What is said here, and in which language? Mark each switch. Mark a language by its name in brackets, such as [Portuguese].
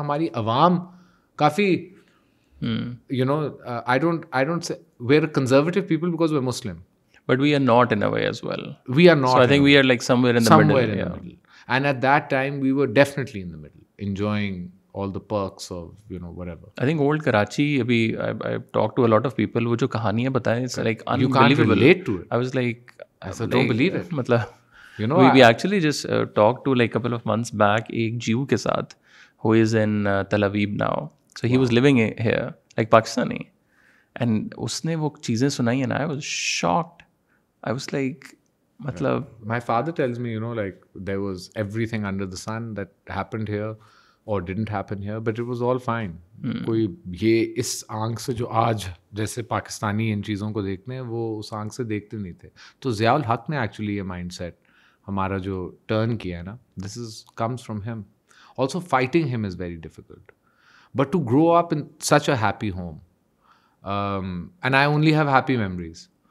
[Urdu] ہماری عوام کافی, [English] You know, I don't say we are conservative people because we are Muslim, but we are not in a way as well. We are not, I think we are like somewhere in the middle. And at that time we were definitely in the middle enjoying all the perks of, you know, whatever. I think old Karachi, abhi I talked to a lot of people, [Urdu] wo jo kahaniyan bataye, [English] it's like unbelievable. You can't relate to it. I was like, I don't believe it. Matlab, you know, we actually just talked to like a couple of months back, [Urdu] ek jew ke sath, [English] who is in Tel Aviv now. So he was living here, like Pakistani. And [Urdu] usne wo cheezein sunayi [English] and I was shocked. I was like, matlab, my father tells me, you know, like there was everything under the sun that happened here. Or didn't happen here, but it was all fine. [Urdu] کوئی یہ اس آنکھ سے جو آج جیسے پاکستانی ان چیزوں کو دیکھتے ہیں, وہ اس آنکھ سے دیکھتے نہیں تھے. تو ضیاء الحق نے ایکچولی یہ مائنڈ سیٹ ہمارا جو ٹرن کیا ہے نا, [English] This is comes from home. Also fighting home is very difficult, but to grow up in such a happy home, and I only have happy memories.